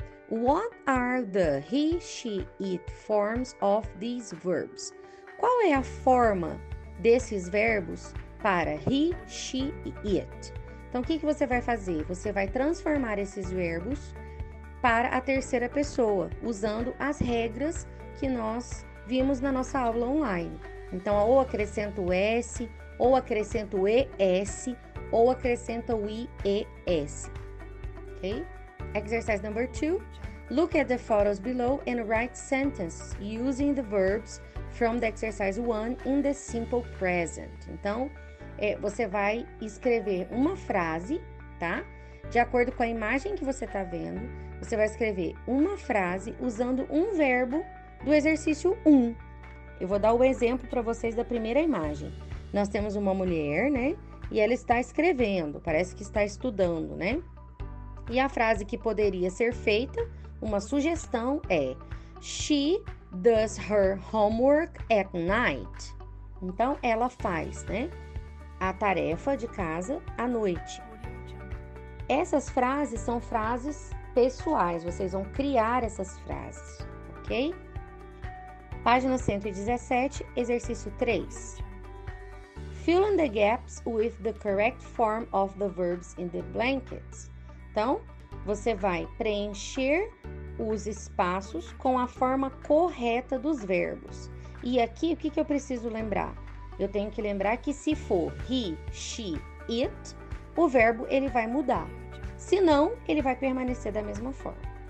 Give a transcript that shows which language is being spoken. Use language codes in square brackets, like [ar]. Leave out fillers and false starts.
[en] What are the he, she, it forms of these verbs? [pt] Qual é a forma desses verbos para he, she, it? Então, o que que você vai fazer? Você vai transformar esses verbos para a terceira pessoa, usando as regras que nós vimos na nossa aula online. Então, ou acrescenta o S, ou acrescenta o ES, ou acrescenta o IES. Ok? [en] Exercise number 2. Look at the photos below and write sentences using the verbs from the exercise 1 in the simple present. [pt] Então, você vai escrever uma frase, tá? De acordo com a imagem que você está vendo, você vai escrever uma frase usando um verbo do exercício 1. Eu vou dar o exemplo para vocês da primeira imagem. Nós temos uma mulher, né? E ela está escrevendo, parece que está estudando, né? E a frase que poderia ser feita, uma sugestão é: [en] She does her homework at night. [pt] Então, ela faz, né, a tarefa de casa à noite. Essas frases são frases pessoais, vocês vão criar essas frases, ok? Página 117, exercício 3. [en] Fill in the gaps with the correct form of the verbs in the blankets. [pt] Então, você vai preencher os espaços com a forma correta dos verbos. E aqui, o que que eu preciso lembrar? Eu tenho que lembrar que se for he, she, it, o verbo ele vai mudar. Se não, ele vai permanecer da mesma forma.